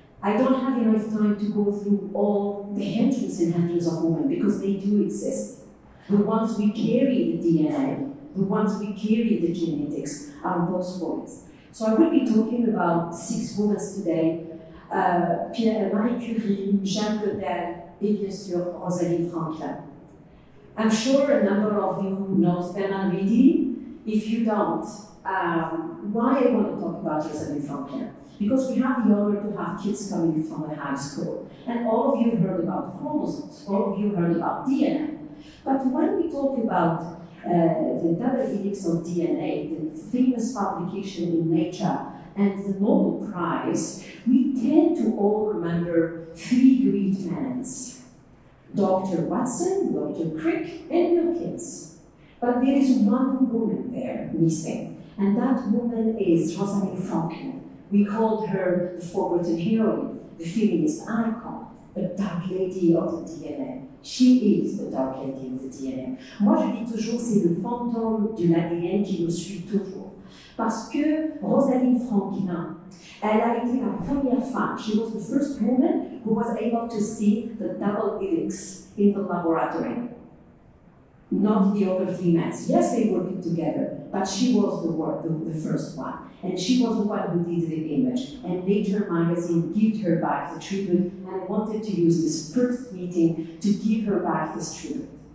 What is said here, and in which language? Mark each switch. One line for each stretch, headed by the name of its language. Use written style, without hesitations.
English: I don't have enough time to go through all the hundreds and hundreds of women, because they do exist. The ones we carry the DNA, the ones we carry the genetics, are those women. So I will be talking about 6 women today.
French: Pierre Marie Curie, Jeanne Claudel, et bien sûr, Rosalind Franklin.
English: I'm sure a number of you know them already. If you don't, why I want to talk about Rosalind Franklin? Because we have the honor to have kids coming from the high school. And all of you heard about chromosomes, all of you heard about DNA. But when we talk about the double helix of DNA, the famous publication in Nature, and the Nobel Prize, we tend to all remember 3 great men: Dr. Watson, Dr. Crick, and Wilkins. But there is one woman there missing, and that woman is Rosalind Franklin. We called her the forgotten heroine, the feminist icon, the dark lady of the DNA. She is the dark lady of the DNA.
French: Moi, je dis toujours, c'est le fantôme de l'ADN qui nous suit toujours. Parce que Rosalind Franklin, elle a été la première femme.
English: She was the first woman who was able to see the double helix in the laboratory. Not the other females. Yes, they worked together, but she was the first one. And she was the one who did the image. And Nature magazine gave her back the tribute and wanted to use this first meeting to give her back this tribute.